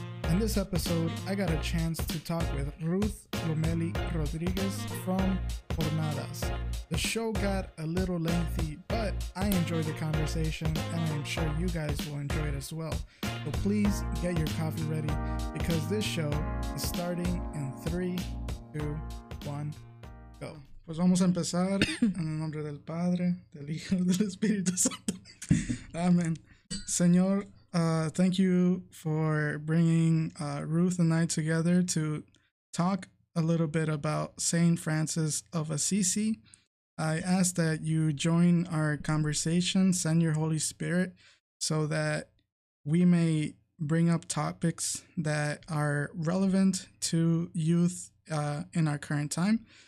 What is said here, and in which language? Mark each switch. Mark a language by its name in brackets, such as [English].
[English] In this episode, I got a chance to talk with Ruth Lomeli Rodriguez from Jornadas. The show got a little lengthy, but I enjoyed the conversation, and I'm sure you guys will enjoy it as well. So please get your coffee ready, because this show is starting in 3, 2, 1, go. [Spanish] Pues vamos a empezar en el nombre del Padre, del Hijo, del Espíritu Santo. [English] Amen. Señor, thank you for bringing Ruth and I together to talk a little bit about Saint Francis of Assisi. I ask that you join our conversation, send your Holy Spirit, so that we may bring up topics that are relevant to youth in our current time.